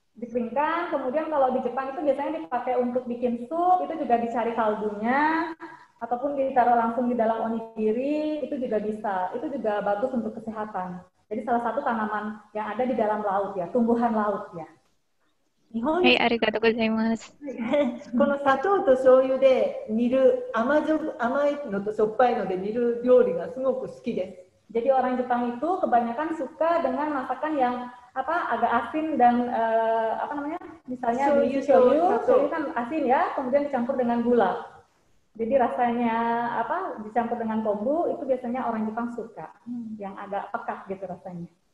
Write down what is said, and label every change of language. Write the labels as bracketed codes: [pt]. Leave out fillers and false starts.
[id] Dikeringkan, kemudian kalau di Jepang itu biasanya dipakai untuk bikin sup, itu juga dicari kaldunya, ataupun ditaruh langsung di dalam onigiri, itu juga bisa. Itu juga bagus untuk kesehatan. Jadi salah satu tanaman yang ada di dalam laut ya, tumbuhan laut ya. [ja] はい、ありがとうございます。この砂糖と醤油で煮る甘いのとしょっぱいので煮る料理がすごく好きです。 [id] Jadi orang Jepang itu kebanyakan suka dengan masakan yang apa agak asin dan apa namanya misalnya [ja] shoyu [id] kan asin ya, kemudian dicampur dengan gula. Jadi rasanya apa dicampur dengan kombu itu biasanya orang Jepang suka yang agak pekat gitu rasanya.